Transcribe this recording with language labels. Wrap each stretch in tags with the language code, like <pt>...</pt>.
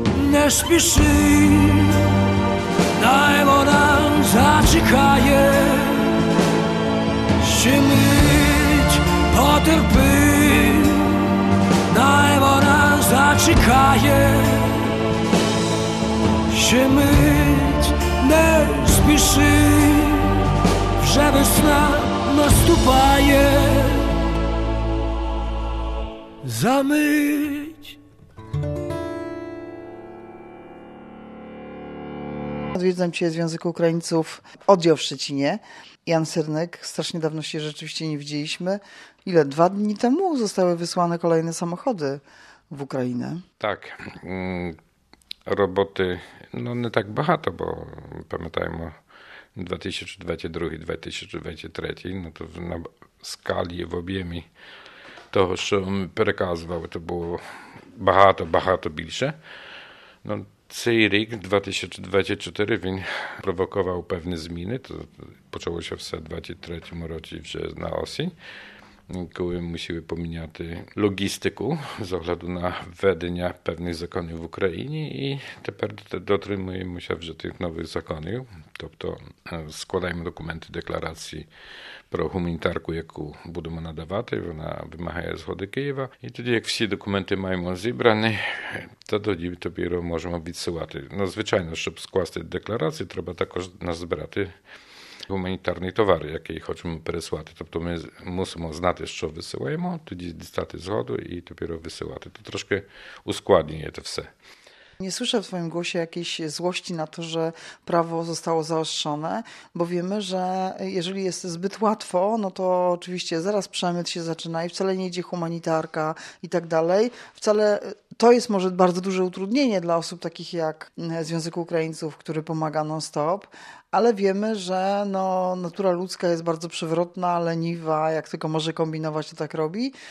<uk>Не спіши, дай вона зачекає, ще мить потерпи, дай вона зачекає, ще мить. Не спіши, вже весна наступає, за мить.</uk> <pl>Odwiedzam cię z Związku Ukraińców, oddział w Szczecinie. Jan Syrnyk, strasznie dawno się rzeczywiście nie widzieliśmy. Ile? Dwa dni temu zostały wysłane kolejne samochody w Ukrainę. Tak. Roboty, no nie tak bardzo, bo pamiętajmy, 2022-2023, no to na skali, w objemie</pl> <uk>того, що ми переказували, то було багато-багато більше. Ну, цей рік, 2024, він провокував певні зміни. То почалося все в 2023 році вже на осінь, коли ми мусили поміняти логістику з огляду на введення певних законів в Україні. І тепер дотримуємося вже тих нових законів. Тобто складаємо документи декларації про гуманітарку, яку будемо надавати, вона вимагає згоди Києва. І тоді, як всі документи маємо зібрані, то тоді тобі можемо відсилати. Ну, звичайно, щоб скласти декларацію, треба також назбирати гуманітарний товар, який хочемо переслати. Тобто ми мусимо знати, що висилаємо, тоді дістати згоду і тобі висилати. То трошки ускладнює це все.</uk> <pl>Nie słyszę w twoim głosie jakiejś złości na to, że prawo zostało zaostrzone, bo wiemy, że jeżeli jest zbyt łatwo, no to oczywiście zaraz przemyt się zaczyna i wcale nie idzie humanitarka i tak dalej. Wcale to jest może bardzo duże utrudnienie dla osób takich jak Związek Ukraińców, który pomaga non-stop, ale wiemy, że no, natura ludzka jest bardzo przewrotna, leniwa, jak tylko może kombinować, to tak robi.</pl>